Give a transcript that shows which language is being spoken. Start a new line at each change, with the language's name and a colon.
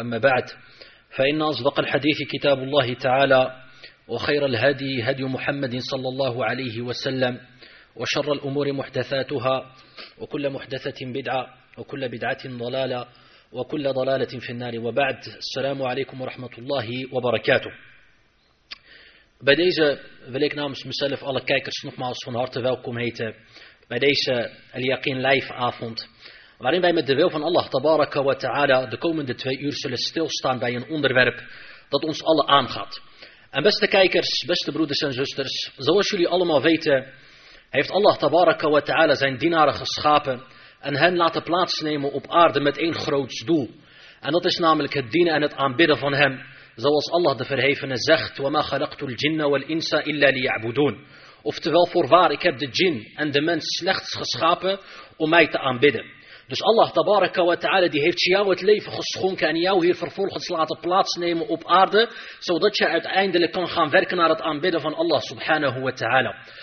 Arabic: أما بعد، فإن أصدق الحديث كتاب الله تعالى، وخير الهدي هدي محمد صلى الله عليه وسلم، وشر الأمور محدثاتها، وكل محدثة بدعة، وكل بدعة ضلالة، وكل ضلالة في النار. وبعد، السلام عليكم ورحمة الله وبركاته.
Dutch: Bij deze wil ik namens mezelf alle kijkers nogmaals van harte welkom heten bij deze Al-Yaqeen Live-avond, waarin wij met de wil van Allah tabaraka wa ta'ala de komende twee uur zullen stilstaan bij een onderwerp dat ons alle aangaat. En beste kijkers, beste broeders en zusters, zoals jullie allemaal weten, heeft Allah tabaraka wa ta'ala zijn dienaren geschapen en hen laten plaatsnemen op aarde met één groot doel. En dat is namelijk het dienen en het aanbidden van hem. Zoals Allah de Verhevene zegt,
Arabic: وَمَا خَلَقْتُ الْجِنَّ وَالْإِنْسَ إِلَّا لِيَعْبُدُونَ.
Dutch: Oftewel, voorwaar, ik heb de jin en de mens slechts geschapen om mij te aanbidden. Dus Allah tabaraka wa ta'ala die heeft jou het leven geschonken en jou hier vervolgens laten plaatsnemen op aarde, zodat je uiteindelijk kan gaan werken naar het aanbidden van Allah subhanahu wa ta'ala.